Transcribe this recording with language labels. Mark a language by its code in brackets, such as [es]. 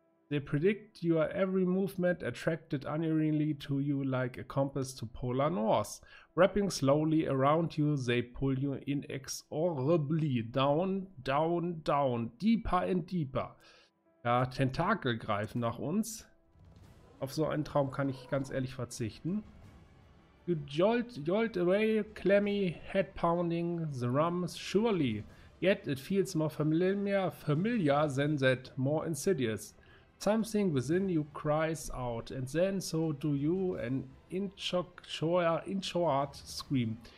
[en] They predict your every movement, attracted unerringly to you like a compass to polar north. Wrapping slowly around you, they pull you inexorably down, down, down, deeper and deeper. [de] Ja, Tentakel greifen nach uns. Auf so einen Traum kann ich ganz ehrlich verzichten. [en] You jolt away, clammy, head pounding, the rum, surely. Yet it feels more familiar than that, more insidious. Something within you cries out, and then so do you, an inchoate scream.